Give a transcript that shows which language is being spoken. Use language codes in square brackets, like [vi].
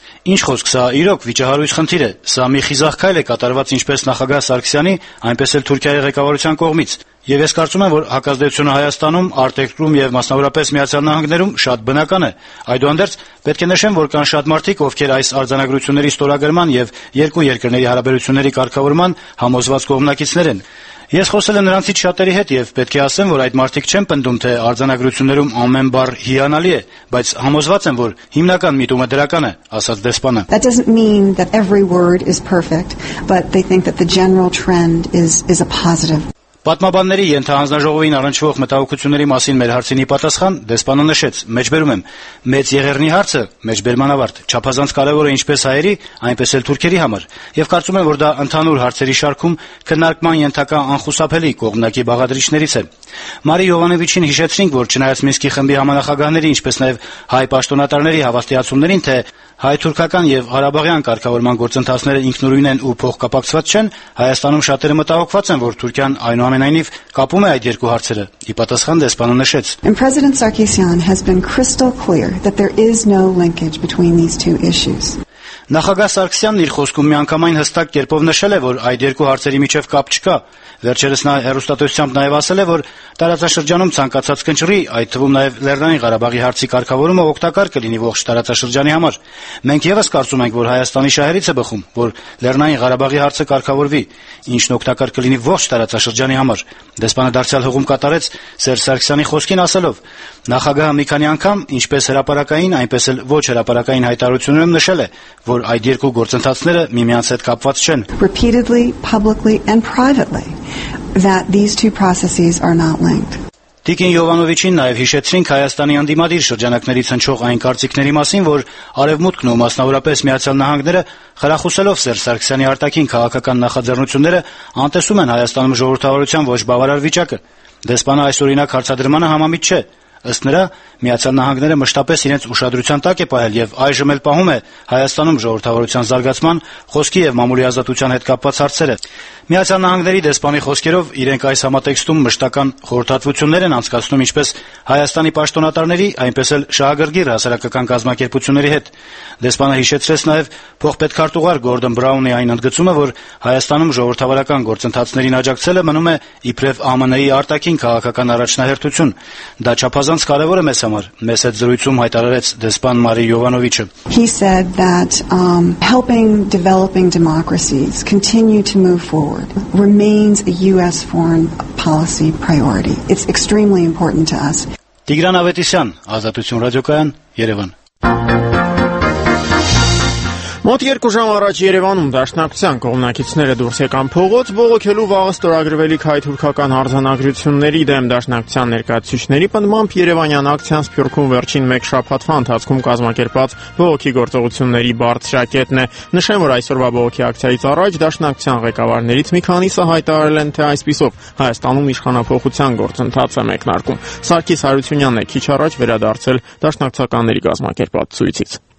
[hy] Ինչ խոսք, սա իրոք վիճահարույց խնդիր է։ Սա մի խիզախ քայլ է կատարված ինչպես նախագահ Սարգսյանի, այնպես էլ Թուրքիայի ղեկավարության կողմից։ Եվ ես կարծում եմ, որ հակազդեցությունը Հայաստանում, արտերկրում եւ մասնավորապես Միացյալ Նահանգներում շատ բնական է։ Այդուհանդերձ, պետք է նշեմ, որ կան շատ մարդիկ, ովքեր այս արձանագրությունների ստորագրման եւ երկու երկրների հարաբերությունների կարգավորման համոզված կողմնակիցներ են։ Ես խոսել եմ նրանցից շատերի հետ եւ պետք է ասեմ, որ այդ մարդիկ չեն պնդում, թե արձանագրություններում ամեն բառ հիանալի է, բայց համոզված եմ, որ հիմնական միտումը դրական է, ասաց դեսպանը։ [en] That doesn't mean that every word is perfect, but they think that the general trend is a positive. [hy] Պատմաբանների ենթահանձնաժողովին առնչվող մտահոգությունների մասին մեր հարցինի պատասխան դեսպանը նշեց. Մեջբերում եմ, մեծ եղերնի հարցը, մեջբերման ավարտ, չափազանց կարևոր է ինչպես հայերի, այնպես էլ թուրքերի համար, եւ կարծում եմ, որ դա ընդհանուր հարցերի շարքում քննարկման ենթակա անխուսափելի կողմնակի բաղադրիչներից է։ Մարի Յովանովիչին հիշեցրինք, որ չնայած Մինսկի խմբի համանախագահների, ինչպես նաեւ հայ պաշտոնատարների հավաստիացումներին, թե հայ-թուրքական եւ Ղարաբաղյան կարգավորման գործընթացները ինքնուրույն են ու փոխկապակցված չեն, Հայաստանում շատերը մտահոգված են, որ Թուրքիան այնուամենայնիվ կապում է այդ երկու հարցերը։ Ի պատասխան դեսպանը նշեց. [en] President Sarkisian has been crystal clear that there is no linkage between these two issues. [hy] Նախագահ Սարգսյանն իր խոսքում միանգամայն հստակ կերպով նշել է, որ այդ երկու հարցերի միջև կապ չկա։ Վերջերս նա հեռուստատեսությամբ նաև ասել է, որ տարածաշրջանում ցանկացած կնճռի, այդ թվում նաև Լեռնային Ղարաբաղի հարցի կարգավորումը օգտակար կլինի ողջ տարածաշրջանի համար։ Մենք եւս կարծում ենք, որ Հայաստանի շահերից է բխում, որ Լեռնային Ղարաբաղի հարցը կարգավորվի, ինչն օգտակար կլինի ողջ տարածաշրջանի համար։ Դեսպանը դարձյալ հողում կատարեց Սեր Սարգսյանի խոսքին ասելով. Նախագահը մի քանի անգամ, ինչպես հրապարակային, այնպես էլ ոչ հրապարակային հայտարարություններում նշել է, որ այդ երկու գործընթացները միմյանց հետ կապված չեն. [en] Repeatedly, publicly and privately that these two processes are not linked. [hy] Տիկին Յովանովիչին նաև հիշեցրին Հայաստանի անդիմադիր շրջանակներից հնչող այն կարծիքների մասին, որ Արևմուտքն ու մասնավորապես Միացյալ Նահանգները, խրախուսելով Սեր Սարգսյանի արտաքին քաղաքական նախաձեռնությունները, անտեսում են Հայաստանում ժողովրդավարության ոչ բավարար վիճակը։ Դեսպանը այս օրինակ հարցադրմանը համամիտ չէ։ Ըստ նրա, Միացյալ Նահանգները մշտապես իրենց ուշադրության տակ է պահել եւ այժմ էլ պահում է Հայաստանում ժողովրդավարության զարգացման, խոսքի եւ մամուլի ազատության հետ կապված հարցերը։ Միացյալ Նահանգների դեսպանի խոսքերով, իրենք այս համատեքստում մշտական խորհրդատվություններ են անցկացնում ինչպես Հայաստանի պաշտոնատարների, այնպես էլ շահագրգիռ հասարակական կազմակերպությունների հետ։ Դեսպանը հիշեցրեց նաեւ փոխպետքարտուղար Գորդոն Բրաունի այն ընդգծումը, որ Հայաստանում ժողովրդավարական գործընթացներին աջակցելը մնում է իբրև ԱՄՆ-ի արտաքին քաղաքական առաջնահերթություն։ Դա չափազանց կարևոր է մեզ համար, մեզ հետ զրույցում հայտարարեց դեսպան Մարի Յովանովիչը։ [en] He said that helping developing democracies continue to move forward remains a US foreign policy priority. It's extremely important to us. [hy] Տիգրան Ավետիսյան, Ազատություն ռադիոկայան, Երևան։ Մոտ երկու ժամ առաջ Երևանում դաշնակցության կողմնակիցները դուրս եկան փողոց, բողոքելու վաղը ստորագրվելիք հայ թուրքական արձանագրությունների դեմ դաշնակցության ներկայացուցիչների պնդմամբ Երևանյան ակցիան Սփյուռքում վերջին մեկ շաբաթվա ընթացքում կազմակերպած բողոքի գործողությունների բարձրակետն է։ Նշեմ, որ այսօրվա բողոքի ակցիայից առաջ դաշնակցության ղեկավարներից մի քանիսը հայտարարել են, թե այսպիսով Հայաստանում իշխանապողության գործընթաց է մեկնարկում։ Սարգիս Հարությունյանն է քիչ առաջ վերադարձել դաշնակցականների կազմակերպած ցույցից։